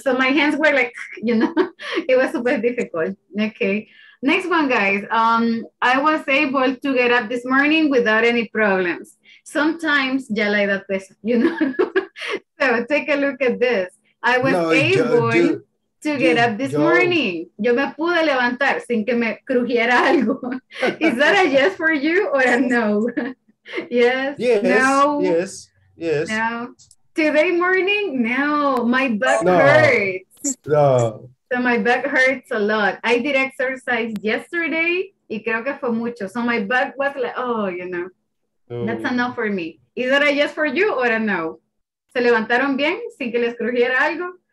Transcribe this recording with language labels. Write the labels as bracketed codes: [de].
[en] So my hands were like, you know, it was super difficult. Okay. Next one, guys. I was able to get up this morning without any problems. Sometimes, [es] ya la edad pesa, [en] you know. So take a look at this. I was able to get up this morning. [es] Yo me pude levantar sin que me crujiera algo. [en] Is that a yes for you or a no? Yes. Yes. No. Yes. Yes. No. Today morning? No. My butt hurts. No. So my back hurts a lot. I did exercise yesterday, [es] y creo que fue mucho. [en] So my back was like, oh, you know, that's enough for me. Is that a yes for you or a no? [es] ¿Se levantaron bien sin que les crujiera algo?